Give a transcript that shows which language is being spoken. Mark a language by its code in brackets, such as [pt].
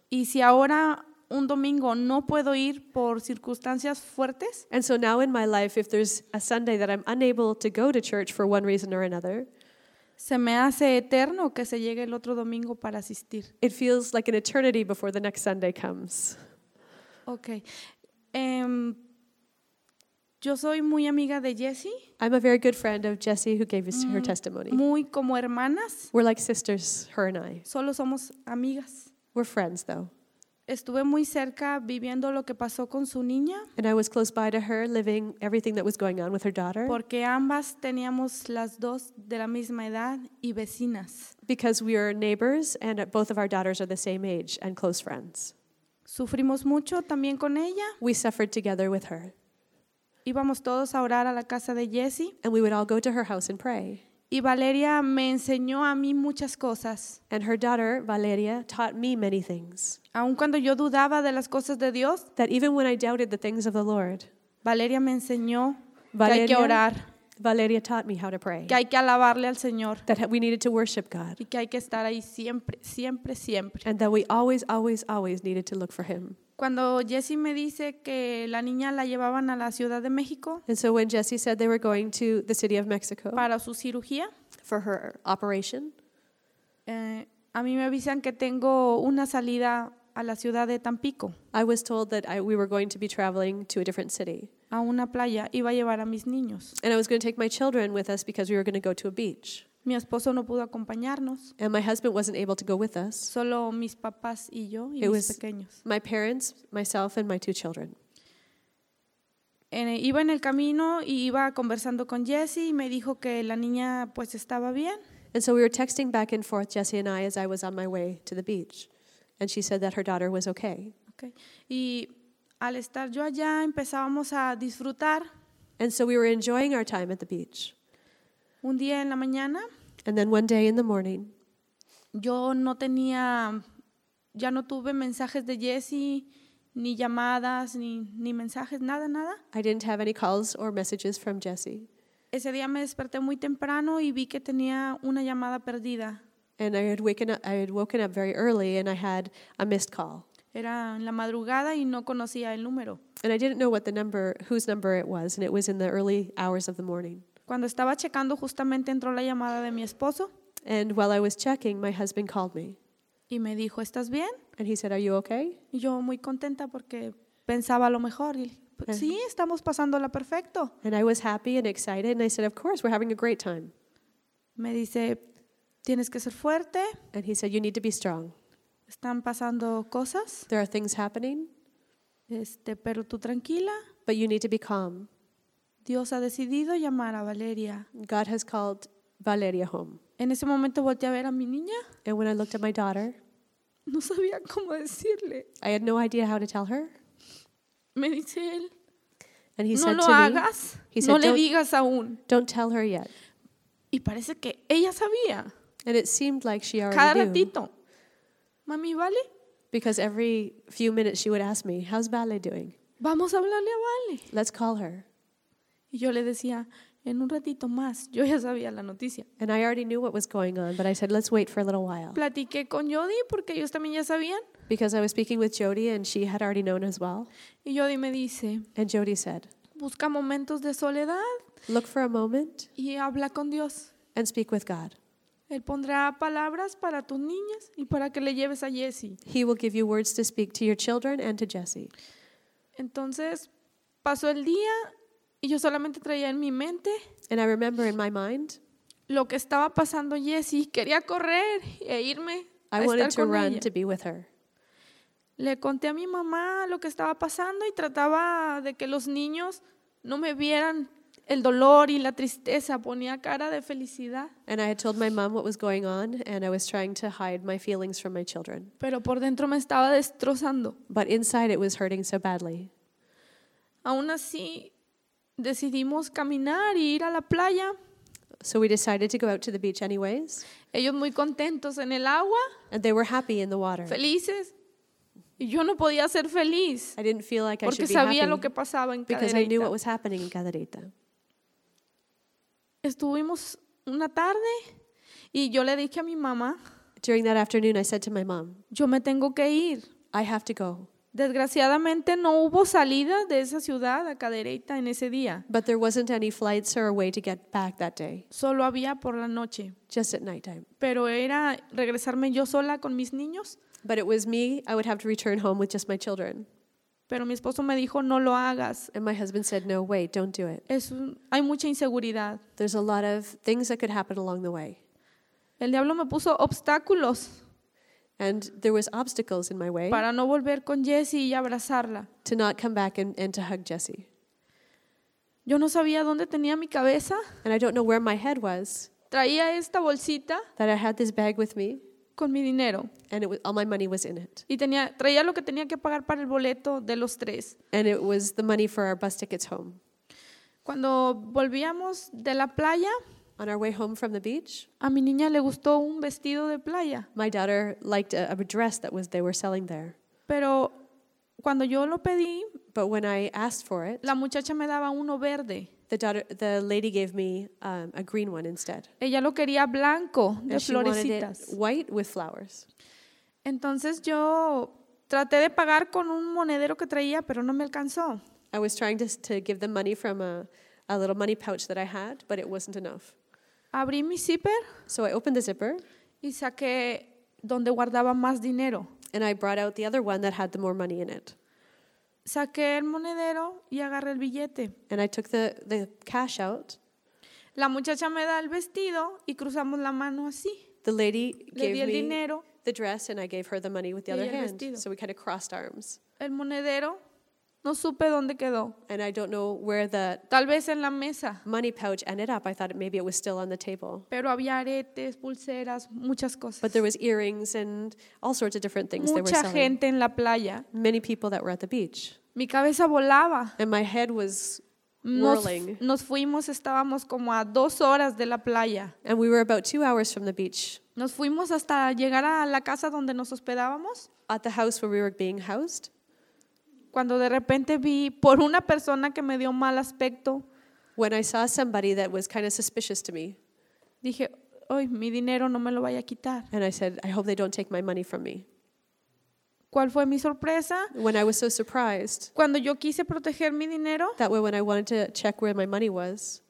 [es] Y si ahora un domingo no puedo ir por circunstancias fuertes, [en] and so now in my life, if there's a Sunday that I'm unable to go to church for one reason or another, se me hace eterno que se llegue el otro domingo para asistir. It feels like an eternity before the next Sunday comes. Okay. [es] Yo soy muy amiga de Jessie. [en] I'm a very good friend of Jessie who gave us her testimony. [es] Muy como hermanas. [en] We're like sisters, her and I. [es] Solo somos amigas. [en] We're friends though. [es] Estuve muy cerca viviendo lo que pasó con su niña. [en] And I was close by to her, living everything that was going on with her daughter. [es] Porque ambas teníamos las dos de la misma edad y vecinas. [en] Because we are neighbors and both of our daughters are the same age and close friends. [es] Sufrimos mucho también con ella. [en] We suffered together with her. [es] Íbamos todos a orar a la casa de Jessie. [en] And we would all go to her house and pray. [es] Y Valeria me enseñó a mí muchas cosas. [en] And her daughter, Valeria, taught me many things. [es] Aun cuando yo dudaba de las cosas de Dios, [en] that even when I doubted the things of the Lord, [es] Valeria me enseñó que hay que orar. [en] Valeria taught me how to pray. [es] Que hay que alabarle al Señor. [en] That we needed to worship God. [es] Y que hay que estar ahí siempre, siempre, siempre. [en] And that we always, always, always needed to look for Him. [es] Cuando Jessie me dice que la niña la llevaban a la Ciudad de México. [en] And so when Jessie said they were going to the city of Mexico. [es] Para su cirugía. [en] For her operation. [es] A mí me avisan que tengo una salida a la ciudad de Tampico. [en] I was told that we were going to be traveling to a different city. [es] A una playa. Iba a llevar a mis niños. [en] And I was going to take my children with us because we were going to go to a beach. [es] Mi esposo no pudo acompañarnos. [en] And my husband wasn't able to go with us. [es] Solo mis papás y yo y [en] it was [es] pequeños. [en] My parents, myself, and my two children. [es] Iba en el camino y iba conversando con Jessie y me dijo que la niña pues estaba bien. [en] And so we were texting back and forth, Jessie and I, as I was on my way to the beach. And she said that her daughter was okay. [es] Okay. Y al estar yo allá empezábamos a disfrutar. [en] And so we were enjoying our time at the beach. [es] Un día en la mañana. [en] And then one day in the morning. [es] Yo no tenía, ya no tuve mensajes de Jessie, ni llamadas, ni mensajes, nada, nada. [en] I didn't have any calls or messages from Jessie. [es] Ese día me desperté muy temprano y vi que tenía una llamada perdida. [en] And I had woken up very early and I had a missed call. [es] Era en la madrugada y no conocía el número. [en] And I didn't know what the number, whose number it was, and it was in the early hours of the morning. [es] Cuando estaba checando, justamente entró la llamada de mi esposo. [en] And while I was checking, my husband called me. [es] Y me dijo, ¿estás bien? [en] And he said, are you okay? [es] Y yo muy contenta porque pensaba lo mejor. Y sí, estamos pasándola perfecto. [en] And I was happy and excited and I said, of course, we're having a great time. [es] Me dice, tienes que ser fuerte. [en] And he said, you need to be strong. [es] Están pasando cosas. [en] There are things happening. [es] Pero tú tranquila. [en] But you need to be calm. [es] Dios ha decidido llamar a Valeria. [en] God has called Valeria home. [es] En ese momento volteé a ver a mi niña. [en] And when I looked at my daughter, [es] no sabía cómo decirle. [en] I had no idea how to tell her. [es] Me dice él, [en] and he [es] no [en] said [es] lo [en] to [es] hagas, [en] me, he [es] no [en] said, [es] le digas aún. [en] Don't tell her yet. [es] Y parece que ella sabía. [en] And it seemed like she already [es] cada ratito, [en] knew. [es] Mami, ¿vale? [en] Because every few minutes she would ask me, how's Vale doing? [es] Vamos a hablarle a Vale. [en] Let's call her. [es] Y yo le decía, en un ratito más, yo ya sabía la noticia. [en] And I already knew what was going on, but I said, let's wait for a little while. [es] Platiqué con Jody porque ellos también ya sabían. [en] Because I was speaking with Jody and she had already known as well. [es] Y Jody me dice, [en] and Jody said, [es] busca momentos de soledad. [en] Look for a moment. [es] Y habla con Dios. [en] And speak with God. [es] Él pondrá palabras para tus niñas y para que le lleves a Jessie. [en] He will give you words to speak to your children and to Jessie. [es] Entonces, pasó el día. Y yo solamente traía en mi mente. [en] And I remember in my mind. [es] Lo que estaba pasando, Jessie. Quería correr e irme. [en] I wanted to run [es] ella. [en] To be with her. [es] Le conté a mi mamá lo que estaba pasando y trataba de que los niños no me vieran el dolor y la tristeza, ponía cara de felicidad. [en] And I had told my mom what was going on, and I was trying to hide my feelings from my children. [es] Pero por dentro me estaba destrozando. [en] But inside it was hurting so badly. [es] Aún así, decidimos caminar y ir a la playa. [en] So we decided to go out to the beach anyways. [es] Ellos muy contentos en el agua. [en] And they were happy in the water. [es] Felices. Y yo no podía ser feliz. [en] I didn't feel like I should be happy. [es] Porque sabía lo que pasaba en Caderita. [en] Because I knew what was happening in Caderita. [es] Estuvimos una tarde y yo le dije a mi mamá. [en] During that afternoon, I said to my mom. [es] Yo me tengo que ir. [en] I have to go. [es] Desgraciadamente no hubo salida de esa ciudad a Caderita en ese día. [en] But there wasn't any flights or a way to get back that day. [es] Solo había por la noche. [en] Just at nighttime. [es] Pero era regresarme yo sola con mis niños. [en] But it was me. I would have to return home with just my children. [es] Pero mi esposo me dijo, no lo hagas. [en] And my husband said, no, wait, don't do it. [es] Hay mucha inseguridad. [en] There's a lot of things that could happen along the way. [es] El diablo me puso obstáculos. [en] And there was obstacles in my way. [es] Para no volver con Jessie y abrazarla. [en] To not come back and to hug Jessie. [es] Yo no sabía dónde tenía mi cabeza. [en] And I don't know where my head was. [es] Traía esta bolsita. [en] That I had this bag with me. [es] Con mi dinero. [en] And it was, all my money was in it. [es] Y traía lo que tenía que pagar para el boleto de los tres. [en] And it was the money for our bus tickets home. [es] Cuando volvíamos de la playa. [en] On our way home from the beach. [es] A mi niña le gustó un vestido de playa. [en] My daughter liked a dress that was they were selling there. [es] Pero cuando yo lo pedí, [en] but when I asked for it, [es] la muchacha me daba uno verde. [en] The lady gave me a green one instead. [es] Ella lo quería blanco de [en] and [es] florecitas. [en] She wanted it white with flowers. [es] Entonces yo traté de pagar con un monedero que traía, pero no me alcanzó. [en] I was trying to give them money from a little money pouch that I had, but it wasn't enough. [es] Abrí mi zipper. [en] So I opened the zipper. [es] Y saqué donde guardaba más dinero. [en] And I brought out the other one that had the more money in it. [es] Saqué el monedero y agarré el billete. [en] And I took the cash out. [es] La muchacha me da el vestido y cruzamos la mano así. [en] The lady gave [es] me dinero, [en] the dress and I gave her the money with the other hand. [es] Vestido. [en] So we kind of crossed arms. [es] El monedero. No supe dónde quedó. [en] And I don't know where the [es] tal vez en la mesa. [en] Money pouch ended up. I thought maybe it was still on the table. [es] Pero había aretes, pulseras, muchas cosas. [en] But there was earrings and all sorts of different things [es] mucha [en] they were selling. [es] Mucha gente en la playa. [en] Many people that were at the beach. [es] Mi cabeza volaba. [en] And my head was whirling. [es] Nos fuimos, estábamos como a 2 horas de la playa. [en] And we were about 2 hours from the beach. [es] Nos fuimos hasta llegar a la casa donde nos hospedábamos. [en] At the house where we were being housed. [es] Cuando de repente vi por una persona que me dio mal aspecto, [en] when I saw somebody that was kind of suspicious to me, [es] dije, "Ay, mi dinero no me lo vaya a quitar." [en] And I said, "I hope they don't take my money from me." [es] ¿Cuál fue mi sorpresa? [en] When I was so surprised. [es] Cuando yo quise proteger mi dinero, [en] that way when I wanted to check where my money was,